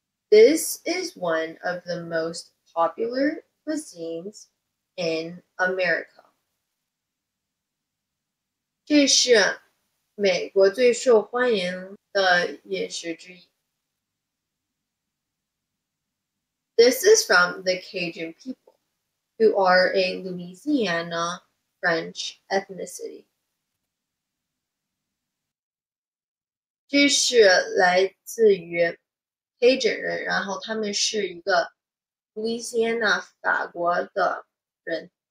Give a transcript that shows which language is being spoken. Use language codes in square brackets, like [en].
[en] This is one of the most popular cuisines in America. [zh] 这是美国最受欢迎的饮食之一。 [en] This is from the Cajun people, who are a Louisiana French ethnicity. [zh] 这是来自于黑人人，然后他们是一个Louisiana法国的人。